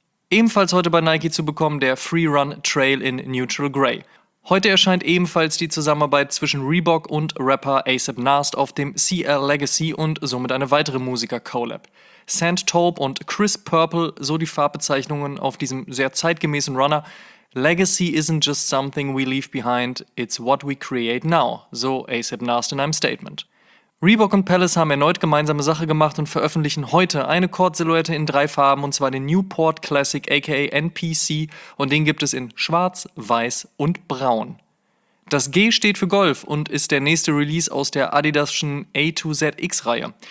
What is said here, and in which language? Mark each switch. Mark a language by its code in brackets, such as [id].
[de] Ebenfalls heute bei Nike zu bekommen der Free Run Trail in Neutral Grey. Heute erscheint ebenfalls die Zusammenarbeit zwischen Reebok und Rapper A$AP Nast auf dem CL Legacy und somit eine weitere Musiker-Collab. Sand Taupe und Crisp Purple, so die Farbbezeichnungen auf diesem sehr zeitgemäßen Runner. [en] Legacy isn't just something we leave behind, it's what we create now, [de] so A$AP Nast in einem Statement. Reebok und Palace haben erneut gemeinsame Sache gemacht und veröffentlichen heute eine Court-Silhouette in 3 Farben, und zwar den Newport Classic aka NPC, und den gibt es in Schwarz, Weiß und Braun. Das G steht für Golf und ist der nächste Release aus der Adidas'schen A2ZX-Reihe.